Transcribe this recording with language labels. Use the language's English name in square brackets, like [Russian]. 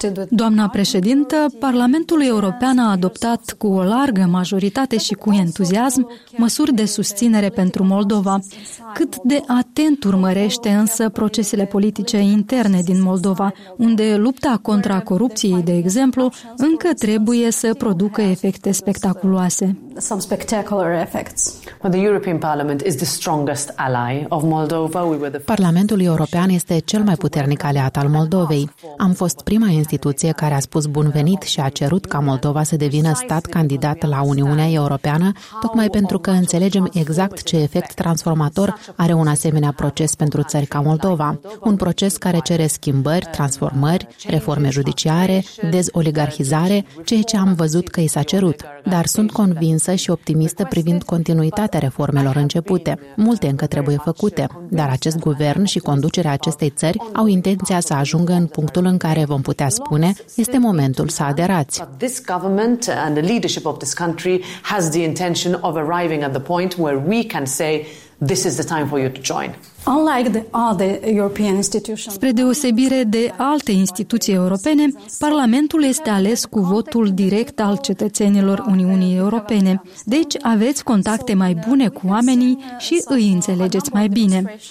[Romanian] Doamna președintă, Parlamentul European a adoptat cu o largă majoritate și cu entuziasm măsuri de susținere pentru Moldova. Cât de atent urmărește însă procesele politice interne din Moldova, unde lupta contra corupției, de exemplu, încă trebuie să producă efecte spectaculoase. [English] Some spectacular effects. Well, the European Parliament is the strongest ally of Moldova. [Romanian] Parlamentul European este cel mai puternic aliat al Moldovei. Am fost prima instituție care a spus bun venit și a cerut ca Moldova să devină stat candidat la Uniunea Europeană, tocmai pentru că înțelegem exact ce efect transformator are un asemenea proces pentru țări ca Moldova. Un proces care cere schimbări, transformări, reforme judiciare, dezoligarhizare, ceea ce am văzut că i s-a cerut. Dar sunt convinsă și optimistă privind continuitatea reformelor începute. Multe încă trebuie făcute, dar acest guvern și conducerea acestei țări au intenția să ajungă în punctul în care vom putea spune este momentul să aderați. [English] This government and the leadership of this country has the intention of arriving at the point where we can say this is the time for you to join. Unlike the other European institutions, [Romanian] spre deosebire de alte instituții europene, Parlamentul este ales cu votul direct al cetățenilor Uniunii Europene. Deci aveți contacte mai bune cu oamenii și îi înțelegeți mai bine.